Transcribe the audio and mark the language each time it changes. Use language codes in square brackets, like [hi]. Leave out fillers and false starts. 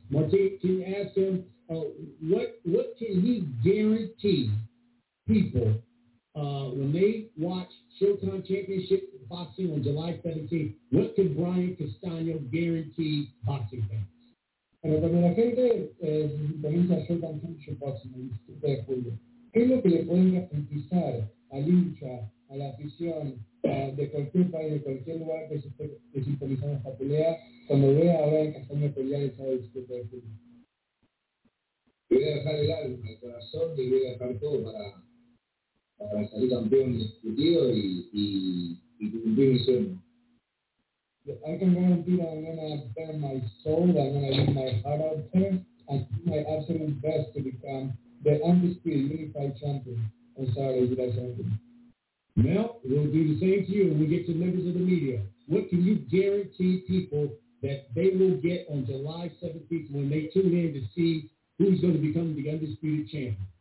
[en] Martin, can you ask him what can he guarantee people when they watch Showtime Championship Boxing on July 17th? What can Brian Castano guarantee boxing fans? [es] Bueno, cuando la gente comienza Showtime Championship Boxing, ¿qué es lo que le pueden garantizar a lucha, a la afición de cualquier país, de cualquier lugar que se esté sintonizando esta pelea, cuando vea ahora en Castaño pelear el sábado 17 de julio? Voy a dejar el alma, el corazón, y voy a dejar todo para salir campeón discutido y cumplir mi sueño. [en] I can guarantee that I'm going to bear my soul, I'm going to leave my heart out there, and do my absolute best to become the undisputed unified champion. I'm sorry, you guys have to. Mel, we'll do the same to you when we get to members of the media. What can you guarantee people that they will get on July 17th when they tune in to see who's going to become the undisputed champion?